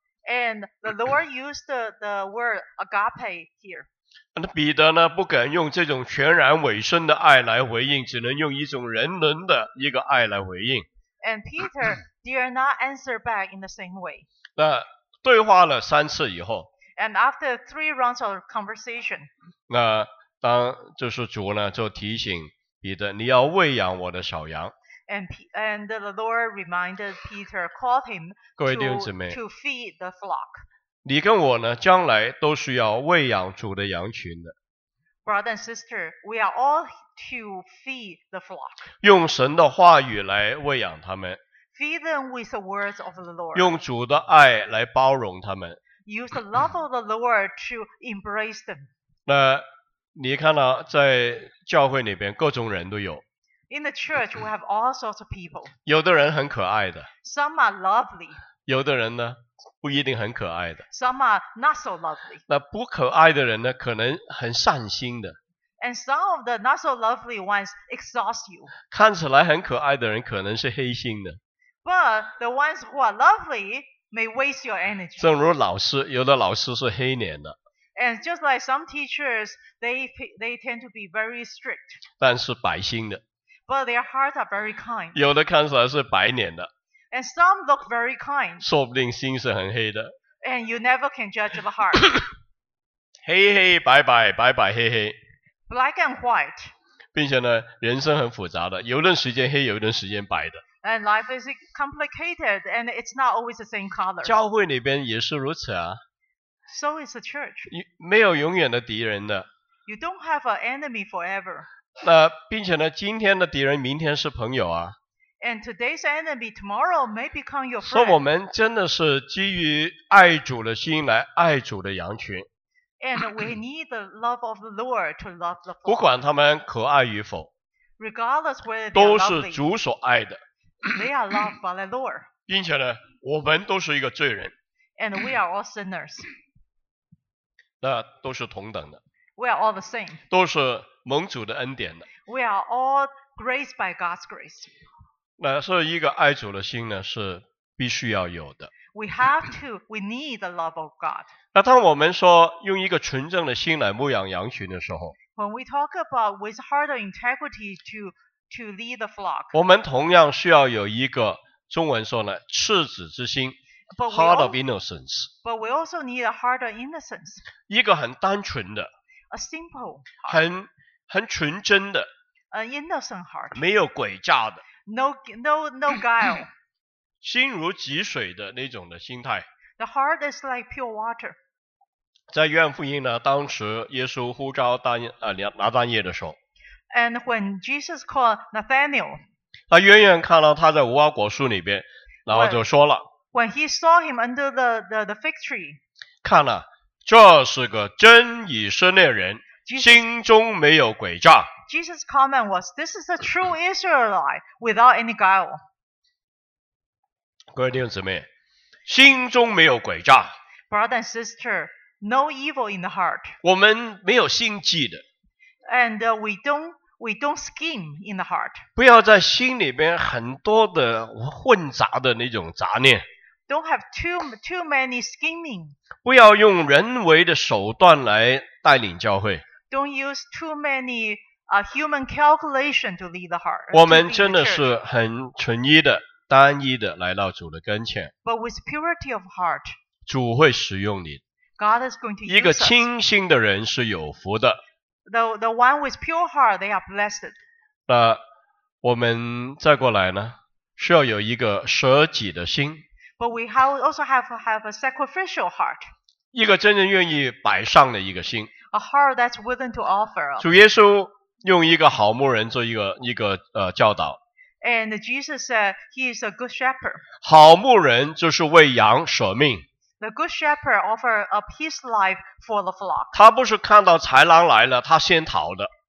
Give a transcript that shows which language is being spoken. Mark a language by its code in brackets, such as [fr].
[en] And the Lord used the word agape here. [zh] 那彼得呢，不敢用这种全然委身的爱来回应，只能用一种人伦的一个爱来回应。 [en] And Peter dare not answer back in the same way. [zh] 那对话了三次以后。 [en] And after three rounds of conversation, [zh] 那当就是主呢就提醒彼得，你要喂养我的小羊。 [en] And the Lord reminded Peter, called him to feed the flock. [zh] 你跟我呢，将来都是要喂养主的羊群的。 [en] Brother and sister, we are all to feed the flock. [zh] 用神的话语来喂养他们。 [en] Feed them with the words of the Lord. [zh] 用主的爱来包容他们。 [en] Use the love of the Lord to embrace them. [zh] 那你看到在教会里边各种人都有。 [en] In the church, we have all sorts of people. [zh] 有的人很可爱的。 [en] Some are lovely. [zh] 有的人呢，不一定很可爱的。 [en] Some are not so lovely. [zh] 那不可爱的人呢，可能很善心的。 [en] And some of the not so lovely ones exhaust you. [zh] 看起来很可爱的人可能是黑心的。 [en] But the ones who are lovely may waste your energy. [zh] 正如老师，有的老师是黑脸的。 [en] And just like some teachers, they tend to be very strict. [zh] 但是白心的。 [en] But their hearts are very kind. [zh] 有的看起来是白脸的。 [en] And some look very kind. [zh] 说不定心是很黑的。 [en] And you never can judge the heart. [zh] 黑黑白白，白白黑黑。 [en] Black and white. [zh] 并且呢，人生很复杂的，有一段时间黑，有一段时间白的。 [en] And life is complicated, and it's not always the same color. [zh] 教会里边也是如此啊。 [en] So is the church. [zh] 没有永远的敌人的。 [en] You don't have an enemy forever. [zh] 那并且呢，今天的敌人明天是朋友啊。 [en] And today's enemy tomorrow may become your friend. [zh] 所以我们真的是基于爱主的心来爱主的羊群。 [en] And we need the love of the Lord to love the flock. [zh] 不管他们可爱与否。 [en] Regardless whether they are lovely. [zh] 都是主所爱的。 [en] They are loved by the Lord. [zh] 并且呢，我们都是一个罪人。 [en] And we are all sinners. [zh] 那都是同等的。 [en] We are all the same. [zh] 都是蒙主的恩典的。 [en] We are all graced by God's grace. [zh] 那是一个爱主的心呢，是必须要有的。 [en] We have to. We need the love of God. [zh] 那当我们说用一个纯正的心来牧养羊群的时候 [en] ，When we talk about with heart and integrity to lead the flock， [zh] 我们同样需要有一个中文说呢，赤子之心。 [en] Heart of innocence. But we also need a heart of innocence. [zh] 一个很单纯的。 [en] A simple heart. [zh] 很纯真的。 [en] An innocent heart. [zh] 没有诡诈的。 [en] No guile. [zh] 心如汲水的那种的心态。 [en] The heart is like pure water. [zh] 在约翰福音呢，当时耶稣呼召拿单叶的时候。 [en] And when Jesus called Nathanael. [zh] 他远远看到他在无花果树里边，然后就说了。 [en] When he saw him under the fig tree, [zh] 看了，这是个真以色列人， [en] Jesus, [zh] 心中没有诡诈。 [en] Jesus' comment was, "This is a true Israelite without any guile." [zh] 各位弟兄姊妹，心中没有诡诈。 [en] Brother and sister, no evil in the heart. [zh] 我们没有心计的。 [en] And we don't scheme in the heart. [zh] 不要在心里边很多的混杂的那种杂念。 [en] Don't have too many scheming. [zh] 不要用人为的手段来带领教会。 [en] Don't use too many human calculation to lead the heart. [zh] 我们真的是很纯一的、单一的来到主的跟前。 [en] But with purity of heart, [zh] 主会使用你。 [en] God is going to use us. [zh] 一个清心的人是有福的。 [en] The one with pure heart, they are blessed. [zh] 那我们再过来呢，需要有一个舍己的心。 [en] But we also have a sacrificial heart. [zh] 一个真正愿意摆上的一个心。 [en] A heart that's willing to offer. [zh] 主耶稣用一个好牧人做一个教导。 [en] And Jesus said he is a good shepherd. [zh] 好牧人就是为羊舍命。 [en] The good shepherd offer up his life for the flock. [zh] 他不是看到豺狼来了他先逃的。